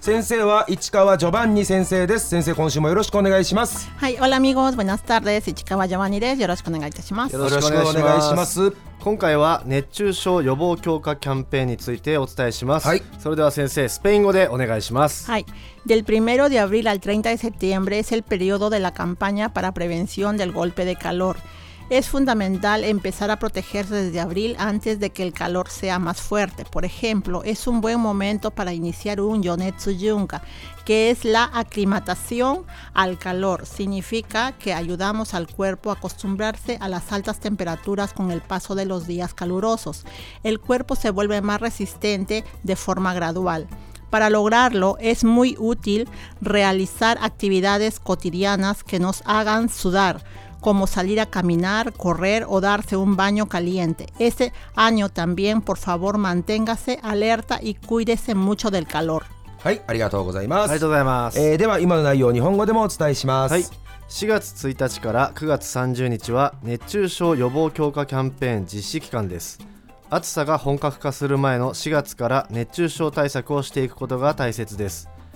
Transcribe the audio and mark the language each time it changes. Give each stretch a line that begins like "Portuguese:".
Japanese: 先生は市川ジョバンニ先生です。先生、今週もよろしくお願いします。はい、オラミゴーズ、ブナスタールです。市川ジョバンニです。よろしくお願いいたします。よろしくお願いします。今回は熱中症予防強化キャンペーンについてお伝えします。はい、それでは先生、スペイン語でお願いします。
Spanish: はい、del 1 de abril al 30 de septiembre es el periodo de la campaña para prevención del golpe de calor. Es fundamental empezar a protegerse desde abril antes de que el calor sea más fuerte. Por ejemplo, es un buen momento para iniciar un yonetsu yunga, que es la aclimatación al calor. Significa que ayudamos al cuerpo a acostumbrarse a las altas temperaturas con el paso de los días calurosos. El cuerpo se vuelve más resistente de forma gradual. Para lograrlo, es muy útil realizar actividades cotidianas que nos hagan sudar, como salir a caminar, correr o darse un baño caliente. Este año también, por favor, manténgase alerta y cuídese mucho del calor.
Japanese: はい、ありがとうございます。ありがとうございます。では今の内容を日本語でもお伝えします。はい。 4月1日から9月30日は熱中症予防強化キャンペーン実施期間です。暑さが本格化する前の4月から熱中症対策をしていくことが大切です。